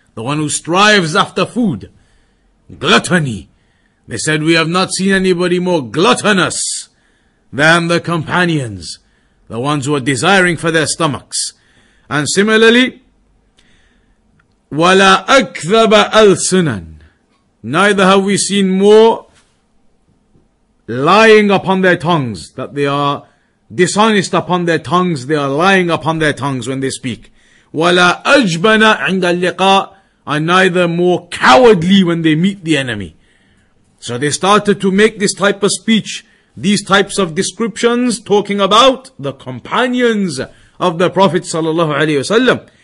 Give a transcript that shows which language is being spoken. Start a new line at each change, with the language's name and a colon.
English: The one who strives after food. Gluttony. They said, we have not seen anybody more gluttonous than the companions, the ones who are desiring for their stomachs. And similarly,
Arabic: وَلَا أَكْذَبَ أَلْسُنًا.
English: Neither have we seen more lying upon their tongues, that they are dishonest upon their tongues, they are lying upon their tongues when they speak.
Arabic: وَلَا أَجْبَنَ عِنْدَ اللِّقَاءِ.
English: Are neither more cowardly when they meet the enemy. So they started to make this type of speech, these types of descriptions, talking about the companions of the Prophet ﷺ.